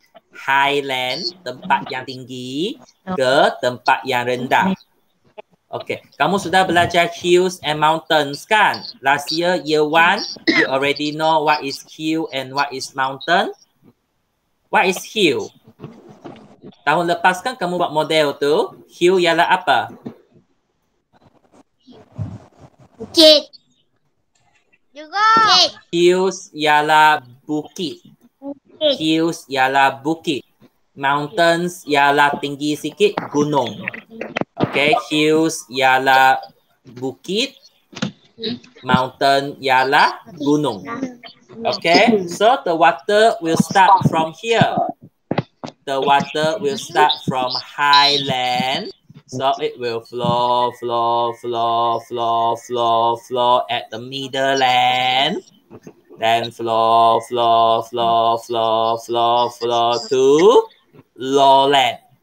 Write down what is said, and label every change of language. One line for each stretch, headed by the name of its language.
Malay: Highland, tempat yang tinggi ke tempat yang rendah. Okay, kamu sudah belajar
English: hills and mountains
Malay: kan?
English: Last year, year one, you already know what is hill and what is mountain. What is hill?
Malay: Tahun lepas kan kamu buat model tu, hill ialah apa? Bukit. Juga. Hills ialah bukit. Hills ialah bukit. Mountains ialah tinggi sikit, gunung.
English: Okay, hills ialah bukit, mountain ialah gunung. Okay, so the water will start from here. The water will start from highland. So it will flow, flow, flow, flow, flow, flow at the middle land. Then flow, flow, flow, flow, flow, flow to lowland.